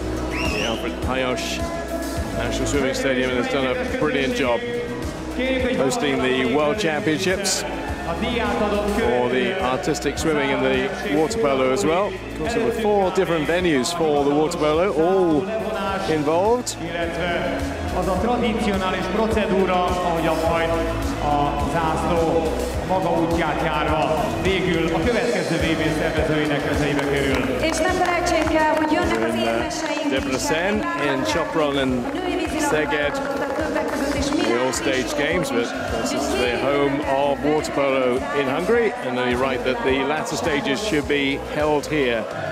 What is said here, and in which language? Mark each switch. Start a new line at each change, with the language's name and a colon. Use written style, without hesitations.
English: The Alfred Pajosh National Swimming Stadium has done a brilliant job hosting the World Championships for the artistic swimming and the water polo as well. Of course, there were four different venues for the water polo, all involved.
Hungarian: Az a tradicionális procedúra, ahogy a majd a zászló maga útját járva végül a következő VB szervezőinek kezébe kerül. És nem felejtsék el, hogy jönnek az érmeseink.
English: Debrecen, in Sopron and Szeged. The all stage games, but this is the home of water polo in Hungary, and they write that the latter stages should be held here.